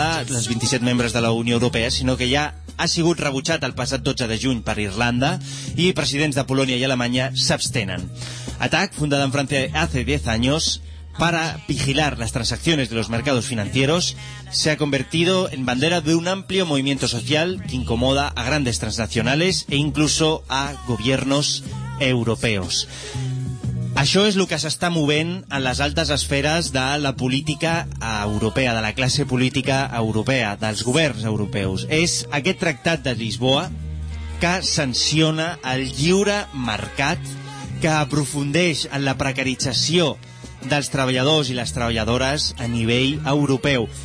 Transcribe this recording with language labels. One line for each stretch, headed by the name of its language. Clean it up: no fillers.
Catalan: les 27 membres de la Unió Europea, sinó que ja ha sigut rebutjat el passat 12 de juny per Irlanda i presidents de Polònia i Alemanya s'abstenen. ATAC, fundada en França
Spanish: hace
Catalan: 10 anys,
Spanish: para vigilar las transacciones de los mercados financieros se ha convertido en bandera de un amplio movimiento social que incomoda a grandes transnacionales e incluso a gobiernos europeos.
Catalan: Això és el que s'està movent en les altes esferes de la política europea, de la classe política europea, dels governs europeus. És aquest Tractat de Lisboa que sanciona el lliure mercat, que aprofundeix en la precarització dels treballadors i les treballadores a nivell europeu.